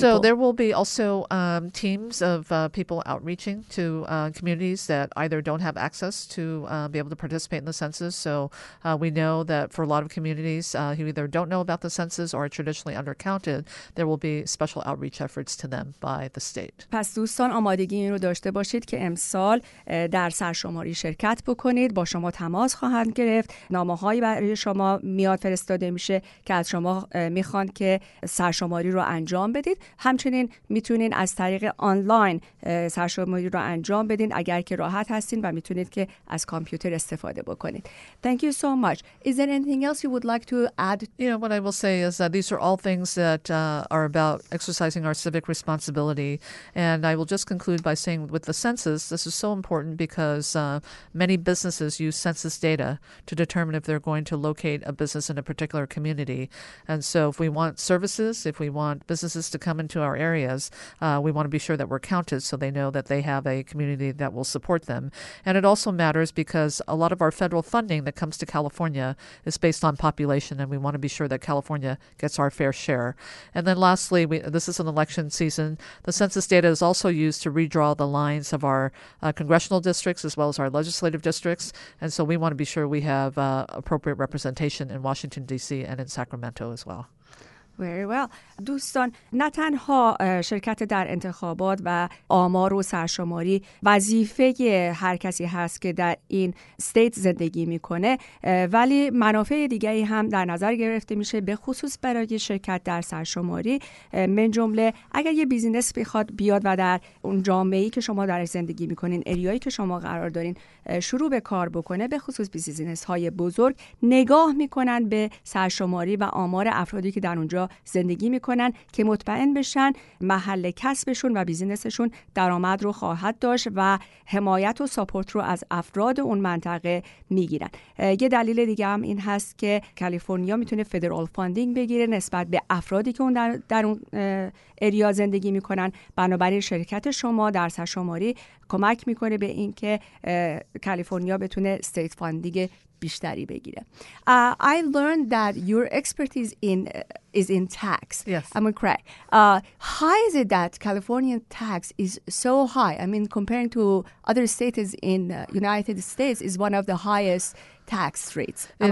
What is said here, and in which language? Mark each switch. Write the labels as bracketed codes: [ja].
[en] So there will be also teams of people outreaching to communities that either don't have access to be able to participate in the census. So we know that for a lot of communities who either don't know about the census or are traditionally undercounted, there will be special outreach efforts to them by the state. [fa] پس دوستان آمادگی این رو داشته باشید که امسال در سرشماری شرکت بکنید. با شما تماس خواهند گرفت. نامه‌هایی برای شما میاد فرستاده میشه که از شما میخوان که سرشماری رو انجام بدید. همچنین میتونین از طریق آنلاین سرشماری رو انجام بدین اگر که راحت هستین و میتونید که از کامپیوتر استفاده بکنید. [en] Thank you so much. Is there anything else you would like to add? You know, what I will say is that these are all things that are about exercising our civic responsibility. And I will just conclude by saying with the census, this is so important because many businesses use census data to determine if they're going to locate a business in a particular community. And so if we want services, if we want businesses to come into our areas, we want to be sure that we're counted so they know that they have a community that will support them. And it also matters because a lot of our federal funding that comes to California is based on population, and we want to be sure that California gets our fair share. And then lastly, this is an election season. The census data is also used to redraw the lines of our congressional districts as well as our legislative districts. And so we want to be sure we have appropriate representation in Washington, D.C., and in Sacramento as well. Very well. [fa] دوستان نه تنها شرکت در انتخابات و آمار و سرشماری وظیفه هر کسی هست که در این استیت زندگی میکنه ولی منافع دیگری هم در نظر گرفته میشه به خصوص برای شرکت در سرشماری من جمله اگر یه بیزینس بخواد بیاد و در اون جامعه‌ای که شما در زندگی میکنین اریایی که شما قرار دارین شروع به کار بکنه به خصوص بیزینس های بزرگ نگاه میکنن به سرشماری و آمار افرادی که در اونجا زندگی میکنن که مطمئن بشن محل کسبشون و بیزینسشون درآمد رو خواهد داشت و حمایت و ساپورت رو از افراد اون منطقه میگیرن. یه دلیل دیگه هم این هست که کالیفرنیا میتونه فدرال فاندینگ بگیره نسبت به افرادی که اون در اون اریا زندگی میکنن. بنابراین شرکت شما در سرشماری کمک میکنه به این که کالیفرنیا بتونه استیت فاندینگ بیشتری بگیره. [en] I learned that your expertise is in tax. Yes. I'm correct. How is it that Californian tax is so high? I mean, comparing to other states in United States, is one of the highest tax rates.